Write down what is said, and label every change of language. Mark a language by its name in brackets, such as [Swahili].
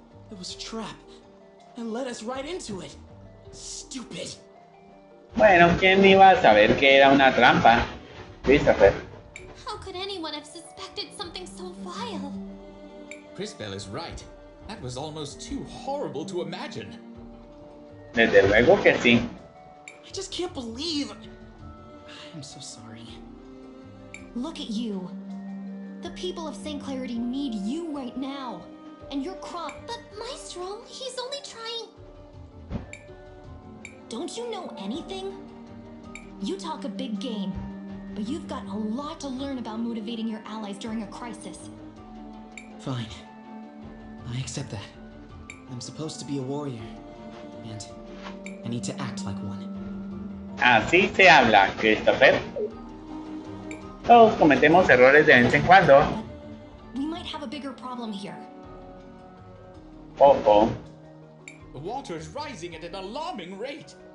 [English] It was a trap and led us right into it. Stupid. [Spanish] Bueno, ¿quién iba a saber que era una trampa? Christopher. [English] How could anyone have suspected something so vile? Crispell is right. That was almost too horrible to imagine. [Spanish] Desde luego que sí. [English] I just can't believe. I'm so sorry. Look at you. The people of St. Clarity need you right now. And your crop. But Maestro, he's only trying. Don't you know anything? You talk a big game, but you've got a lot to learn about motivating your allies during a crisis. Fine. I accept that. I'm supposed to be a warrior. And I need to act like one. [Spanish] Así se habla, Christopher. Todos cometemos errores de vez en cuando. [English] We might have a bigger problem here. Oh. The water is rising at an alarming rate.